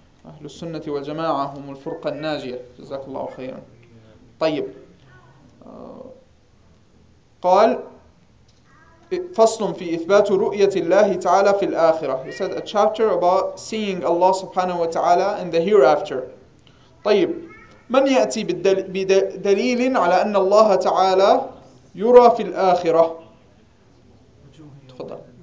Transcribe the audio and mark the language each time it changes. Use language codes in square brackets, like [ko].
[ar] أهل السنة والجماعة هم الفرقة الناجية. جزاك الله خيرا. طيب. قال فصل في إثبات رؤية الله تعالى في الآخرة. [en] He said a chapter about seeing Allah [ar] سبحانه وتعالى [en] in the hereafter. [ar] طيب، من يأتي بدليل على أن الله تعالى يرى في الآخرة؟ تفضل.